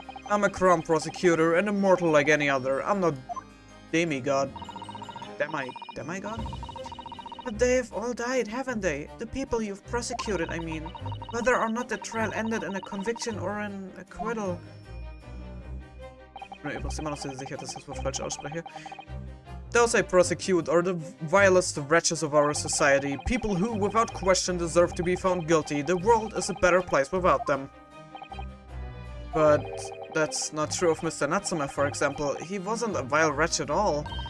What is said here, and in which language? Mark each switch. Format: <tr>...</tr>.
<en>I'm a crumb prosecutor and a mortal like any other. I'm not demigod. Demigod? But they have all died, haven't they? The people you've prosecuted, I mean. Whether or not the trial ended in a conviction or an acquittal.</en> <de>Ich bin immer noch sehr sicher, dass ich das Wort falsch ausspreche.</de> <en>Those I prosecute are the vilest wretches of our society. People who, without question, deserve to be found guilty. The world is a better place without them. But that's not true of Mr. Natsume, for example. He wasn't a vile wretch at all.</en>